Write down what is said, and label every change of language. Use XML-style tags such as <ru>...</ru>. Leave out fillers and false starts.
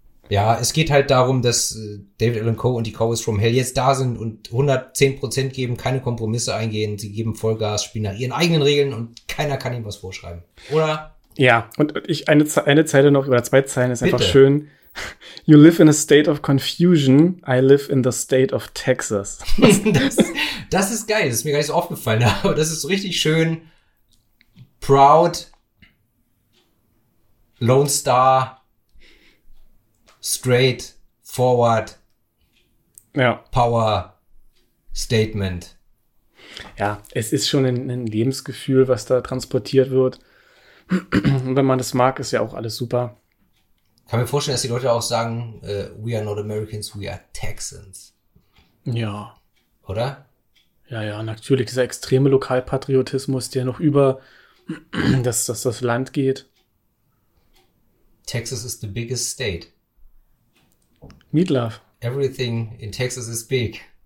<de>Ja, es geht halt darum, dass David Allan Coe und die Cowboys from Hell jetzt da sind und 110% geben, keine Kompromisse eingehen, sie geben Vollgas, spielen nach ihren eigenen Regeln und keiner kann ihnen was vorschreiben. Oder? Ja, und ich eine Zeile noch, oder zwei Zeilen, ist einfach schön.</de> <en>You live in a state of confusion, I live in the state of Texas.</en> <de>das ist geil, das ist mir gar nicht so aufgefallen, aber das ist so richtig schön, proud, Lone Star,</de> <en>straight forward,</en> <de>ja. Power Statement. Ja, es ist schon ein Lebensgefühl, was da transportiert wird. Und wenn man das mag, ist ja auch alles super. Kann mir vorstellen, dass die Leute auch sagen,</de> <en>we are not Americans, we are Texans.</en> <de>Ja. Oder? Ja, natürlich. Dieser extreme Lokalpatriotismus, der noch über das Land geht.</de> <en>Texas is the biggest state. Meat love. Everything in Texas is big.</en>